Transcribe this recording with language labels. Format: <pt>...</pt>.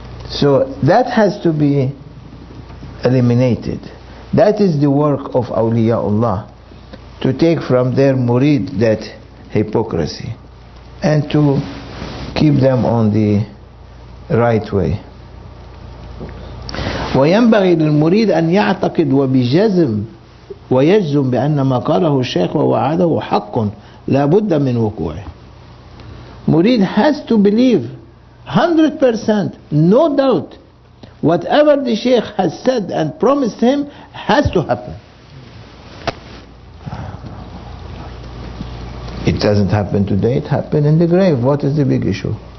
<en>So that has to be eliminated. That is the work of awliyaullah, to take from their murid that hypocrisy and to keep them on the right way.</en> <ar>وينبغي للمريد ان يعتقد وبجزم ويجزم بان ما قاله الشيخ ووعده حق لا بد من وقوعه.</ar> <en>Murid has to believe 100%, no doubt, whatever the Sheikh has said and promised him has to happen. It doesn't happen today, it happened in the grave. What is the big issue?</en>